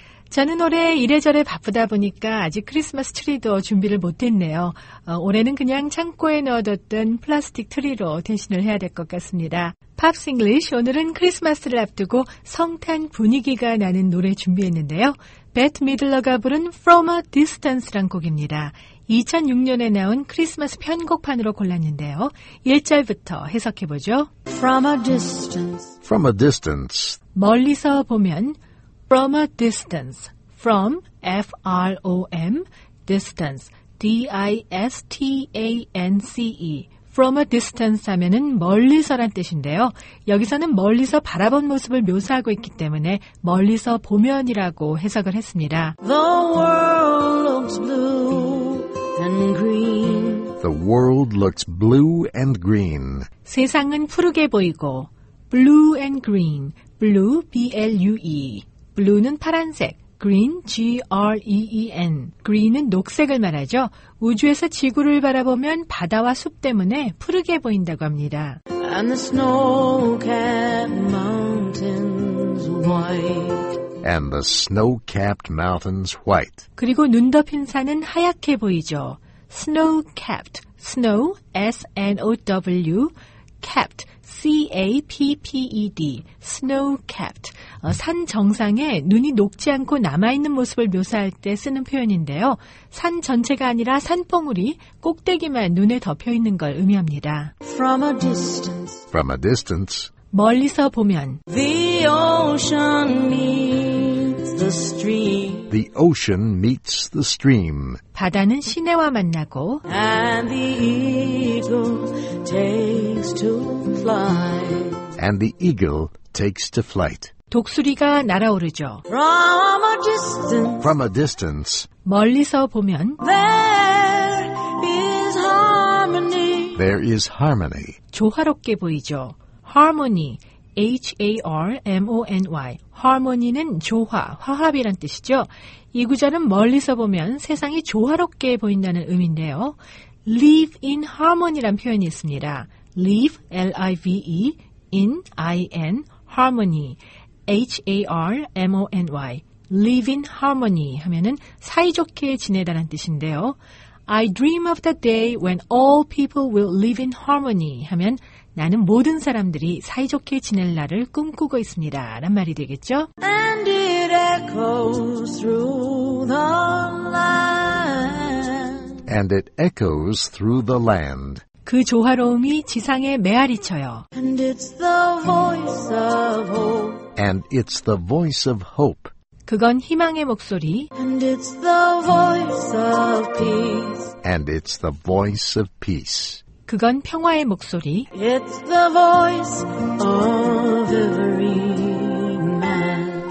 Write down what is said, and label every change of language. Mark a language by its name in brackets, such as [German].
[Korean] 저는 올해 이래저래 바쁘다 보니까 아직 크리스마스 트리도 준비를 못했네요. 올해는 그냥 창고에 넣어뒀던 플라스틱 트리로 대신을 해야 될 것 같습니다. Pops English, 오늘은 크리스마스를 앞두고 성탄 분위기가 나는 노래 준비했는데요. Bette Midler가 부른 From a Distance란 곡입니다. 2006년에 나온 크리스마스 편곡판으로 골랐는데요. 1절부터 해석해보죠. [English] From a distance. From a distance. [Korean] 멀리서 보면 [English] From a distance. From, F-R-O-M, distance. D-I-S-T-A-N-C-E. [Korean] From a distance 하면은 멀리서란 뜻인데요. 여기서는 멀리서 바라본 모습을 묘사하고 있기 때문에 멀리서 보면이라고 해석을 했습니다. [English] The world looks blue. And green. The world looks blue and green. [Korean] 세상은 푸르게 보이고 [English] blue and green. blue, B-L-U-E. [Korean] blue는 파란색, green, G-R-E-E-N. green은 녹색을 말하죠. 우주에서 지구를 바라보면 바다와 숲 때문에 푸르게 보인다고 합니다. [English] And the snow-capped mountains white. And the snow-capped mountains white. [Korean] 그리고 눈 덮인 산은 하얗게 보이죠. [English] Snow-capped, snow, S-N-O-W, capped, C-A-P-P-E-D, snow-capped. [Korean] 산 정상에 눈이 녹지 않고 남아있는 모습을 묘사할 때 쓰는 표현인데요. 산 전체가 아니라 산봉우리, 꼭대기만 눈에 덮여있는 걸 의미합니다. [English] From a distance. From a distance. [Korean] 멀리서 보면 [English] The ocean meets the stream. The ocean meets the stream. [Korean] 바다는 시내와 만나고 [English] And the eagle takes to flight. And the eagle takes to flight. [Korean] 독수리가 날아오르죠. [English] From a distance. From a distance. [Korean] 멀리서 보면 [English] There is harmony. There is harmony. [Korean] 조화롭게 보이죠. Harmony, H-A-R-M-O-N-Y. Harmony는 조화, 화합이란 뜻이죠. 이 구절은 멀리서 보면 세상이 조화롭게 보인다는 의미인데요. Live in harmony란 표현이 있습니다. [English] Live, L-I-V-E, in, I-N, harmony, H-A-R-M-O-N-Y. [Korean] Live in harmony 하면은 사이좋게 지내다란 뜻인데요. [English] I dream of the day when all people will live in harmony [Korean] 하면 나는 모든 사람들이 사이좋게 지낼 날을 꿈꾸고 있습니다. 라는 말이 되겠죠? [English] And it echoes through the land. And it echoes through the land. [Korean] 그 조화로움이 지상에 메아리쳐요. [English] And it's the voice of hope. And it's the voice of hope. [Korean] 그건 희망의 목소리. [English] And it's the voice of peace. And it's the voice of peace. [Korean] 그건 평화의 목소리. [English] It's the voice of every man.